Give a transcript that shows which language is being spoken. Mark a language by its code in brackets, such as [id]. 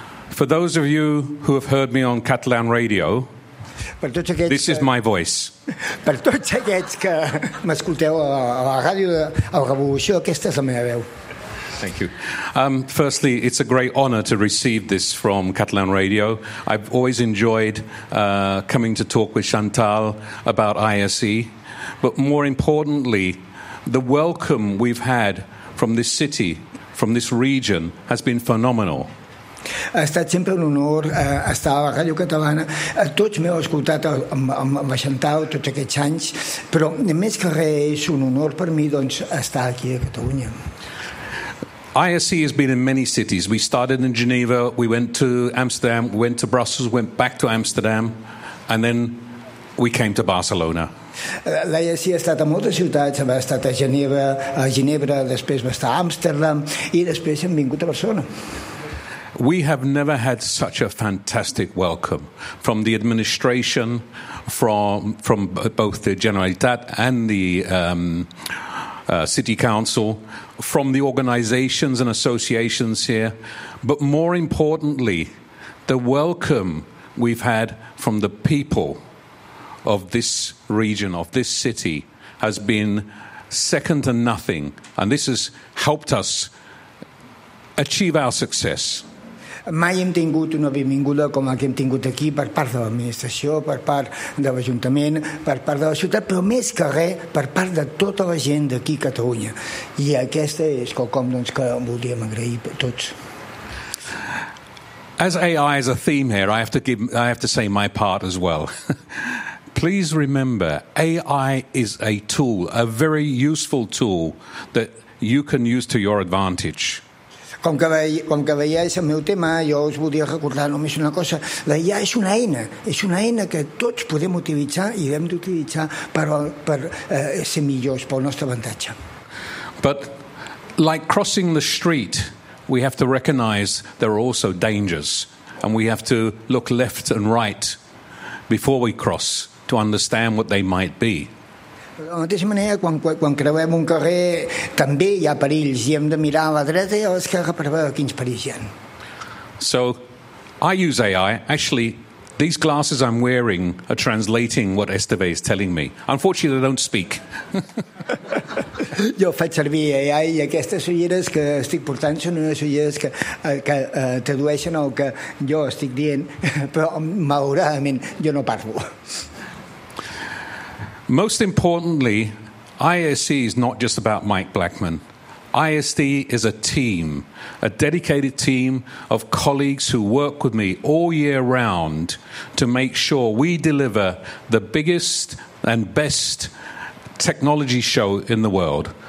[en] For those of you who have heard me on Catalan Radio, this is my voice. [ca] Per tots aquests que m'escolteu a la ràdio de la Revolució, aquesta és la meva veu. [en] Thank you. Firstly, it's a great honor to receive this from Catalan Radio. I've always enjoyed coming to talk with Chantal about ISE, but more importantly, the welcome we've had from this city, from this region, has been phenomenal. [ca] Ha estat sempre un honor estar a la Ràdio Catalana. Tots m'heu escoltat amb la Chantal tots aquests anys, però més que res és un honor per mi doncs, estar aquí a Catalunya. [en] ISE has been in many cities. We started in Geneva, we went to Amsterdam, went to Brussels, went back to Amsterdam, and then we came to Barcelona. [ca] L'ISE ha estat a moltes ciutats, ha estat a Geneva, a Ginebra, després va estar a Amsterdam i després hem vingut a Barcelona. [en] We have never had such a fantastic welcome from the administration, from both the Generalitat and the City Council, from the organizations and associations here, but more importantly, the welcome we've had from the people of this region, of this city, has been second to nothing, and this has helped us achieve our success. [ca] Mai hem tingut una benvinguda com la que hem tingut aquí per part de l'administració, per part de l'Ajuntament, per part de la ciutat, però més que res per part de tota la gent d'aquí a Catalunya. I aquesta és quelcom doncs, que voldríem agrair a tots. [en] As AI is a theme here, I have to say my part as well. Please remember, AI is a tool, a very useful tool that you can use to your advantage. [ca] Com que veieu el meu tema, jo us voldria recordar només una cosa. La IA és una eina que tots podem utilitzar i hem d'utilitzar per ser millors, pel nostre avantatge. [en] But like crossing the street, we have to recognize there are also dangers, and we have to look left and right before we cross to understand what they might be. [ca] De la mateixa manera, quan creuem un carrer, també hi ha perills i hem de mirar a la dreta i a l'esquerra per veure quins perills hi ha. [en] So, I use AI. Actually, these glasses I'm wearing are translating what Esteve is telling me. Unfortunately, they don't speak. [ca] Jo faig servir AI i aquestes ulleres que estic portant són unes ulleres que tradueixen el que jo estic dient, però malauradament jo no parlo. [en] Most importantly, ISD is not just about Mike Blackman. ISD is a team, a dedicated team of colleagues who work with me all year round to make sure we deliver the biggest and best technology show in the world.